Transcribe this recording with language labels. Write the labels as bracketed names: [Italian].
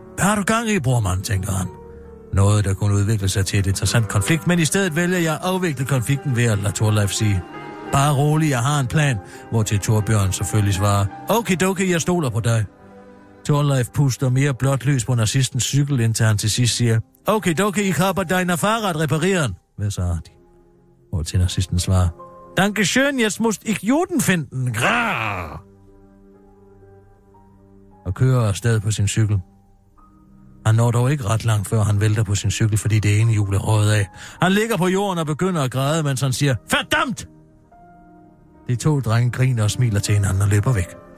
[Danish] Hvad har du gang i, brormand, tænker han. Noget, der kunne udvikle sig til et interessant konflikt, men i stedet vælger jeg at afvikle konflikten ved at lade Torleif sige, bare rolig, jeg har en plan, hvortil Torbjørn selvfølgelig svarer, okay, dokie, jeg stoler på dig. Torleif puster mere blåt lys på nazistens cykel, indtil han til sidst siger, [German] Okay, dokie, ich habe deine Fahrrad reparieren. [Danish] Hvad sagde de? Hvor til nazisten svarer. [German] Dankeschön, jetzt musst ich Juden finden. Grrr! [Danish] Og kører afsted på sin cykel. Han når dog ikke ret langt, før han vælter på sin cykel, fordi det ene hjul er røget af. Han ligger på jorden og begynder at græde, mens han siger, verdammt! De to drenge griner og smiler til hinanden og løber væk.